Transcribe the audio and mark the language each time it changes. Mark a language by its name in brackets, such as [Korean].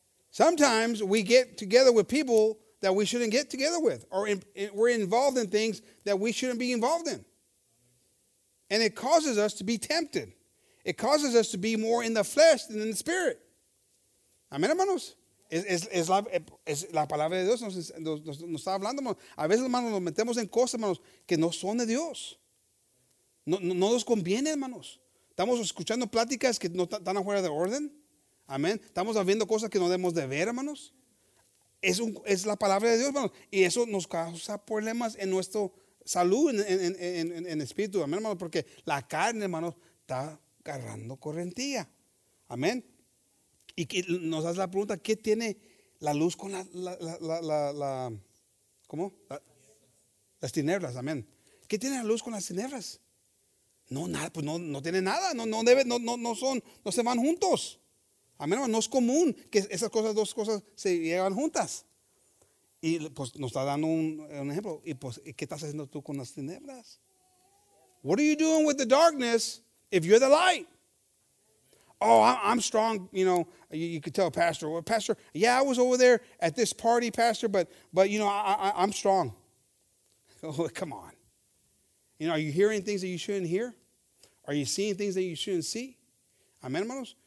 [English] Sometimes we get together with people that we shouldn't get together with, or we're involved in things that we shouldn't be involved in. And it causes us to be tempted. It causes us to be more in the flesh than in the spirit. [Spanish] Amén, hermanos. Es la palabra de Dios nos está hablando, hermanos. A veces, hermanos, nos metemos en cosas, hermanos, que no son de Dios. No nos conviene, hermanos. Estamos escuchando pláticas que no están afuera de orden. Amén. Estamos viendo cosas que no debemos de ver, hermanos. Es la palabra de Dios, hermanos. Y eso nos causa problemas en nuestra salud, en espíritu. Amén, hermanos. Porque la carne, hermanos, está agarrando correntía. Amén. Y que nos hace la pregunta, ¿qué tiene la luz con la ¿cómo? Las tinieblas, amén. ¿Qué tiene la luz con las tinieblas? No, nada, pues no tiene nada. No se van juntos. Amén, hermano. No es común que esas cosas, dos cosas se llevan juntas. Y pues nos está dando un ejemplo. Y pues, ¿qué estás haciendo tú con las tinieblas? [English] What are you doing with the darkness if you're the light? Oh, I'm strong, you know, you could tell a pastor. Well, pastor, yeah, I was over there at this party, pastor, but you know, I'm strong. Oh, come on. You know, are you hearing things that you shouldn't hear? Are you seeing things that you shouldn't see? Amen, hermanos?